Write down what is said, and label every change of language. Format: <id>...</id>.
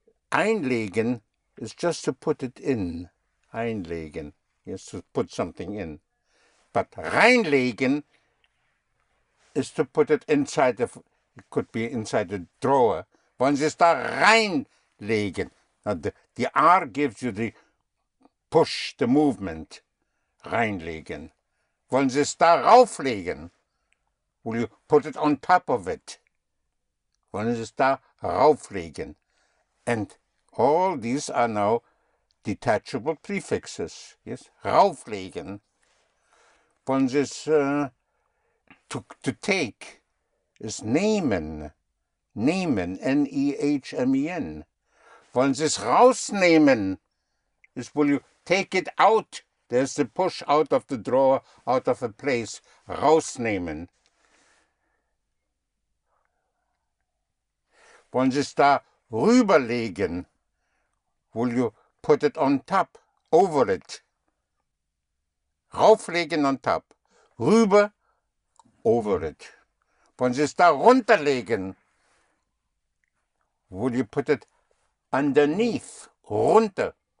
<en>Einlegen is just to put it in. Einlegen is to put something in. But reinlegen is to put it inside the, it could be inside the drawer.</en> <de>Wollen Sie es da reinlegen?</de> <en>Now the R gives you the push, the movement, reinlegen.</en> <de>Wollen Sie es da rauflegen?</de> <en>Will you put it on top of it?</en> <de>Wollen Sie es da rauflegen?</de> <en>And all these are now detachable prefixes. Yes,</en> <de>rauflegen. Wollen Sie es</de> <en>to take is</en> <de>nehmen. Nehmen, N-E-H-M-E-N. Wollen Sie es rausnehmen?</de> <en>Is will you take it out? There's the push out of the drawer, out of a place.</en> <de>Rausnehmen. Wollen Sie es da rüberlegen?</de> <en>Will you put it on top, over it? Rauflegen on top. Rüber, over it.</en> <de>Wollen Sie es da runterlegen?</de> <en>Will you put it underneath, runter?</en>